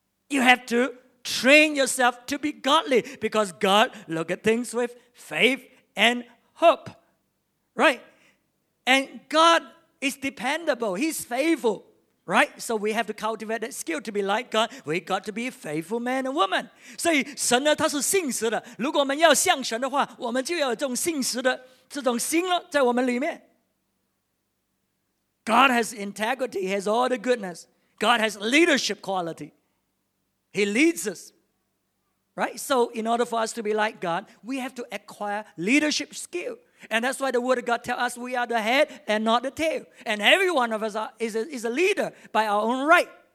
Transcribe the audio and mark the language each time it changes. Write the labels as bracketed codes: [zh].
[en] You have to train yourself to be godly because God look at things with faith and hope, right? And God is dependable. He's faithful. Right? So we have to cultivate that skill to be like God. We got to be faithful man and woman. [zh] 所以神呢,祂是信实的。如果我们要像神的话, 我们就要有这种信实的这种心了在我们里面。 [en] God has integrity, He has all the goodness. God has leadership quality. He leads us. Right? So in order for us to be like God, we have to acquire leadership skill. And that's why the Word of God tells us we are the head and not the tail. And every one of us is a leader by our own right.